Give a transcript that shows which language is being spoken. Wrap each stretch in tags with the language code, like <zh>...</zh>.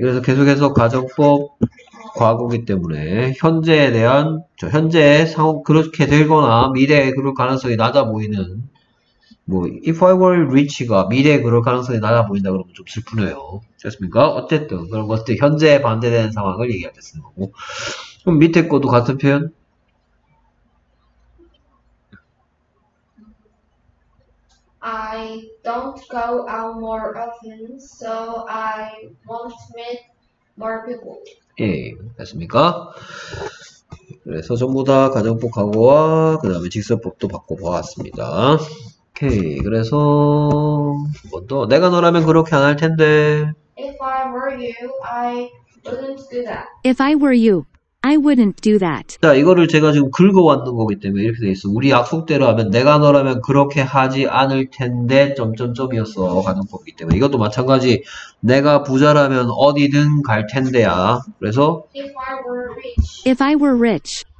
<ko>그래서 계속해서 가정법 과거기 때문에 현재에 대한 저 현재의 상황 그렇게 되거나 미래에 그럴 가능성이 낮아 보이는 뭐</ko> <en>if I were rich</en> <ko>가 미래에 그럴 가능성이 낮아 보인다 그러면 좀 슬프네요. 됐습니까? 어쨌든 그런 것들 현재에 반대되는 상황을 얘기하겠습니다. 뭐. 그럼 밑에 것도 같은 표현?</ko> <en>I don't go out more often, so I won't meet more people.</en> <ko>예, 됐습니까? 그래서 전부 다 가정법 과거와 그 다음에 직설법도 바꿔보았습니다. 오케이, 그래서 뭐또 내가 너라면 그렇게 안할 텐데.</ko> <en>If I were you, I wouldn't do that. If I were you, I wouldn't do that.</en> <ko>자, 이거를 제가 지금 긁어왔는 거기 때문에 이렇게 돼 있어. 우리 약속대로 하면 내가 너라면 그렇게 하지 않을 텐데 점점점이었어. 가정법이기 때문에 이것도 마찬가지. 내가 부자라면 어디든 갈 텐데야. 그래서</ko> <en>If I were rich,</en>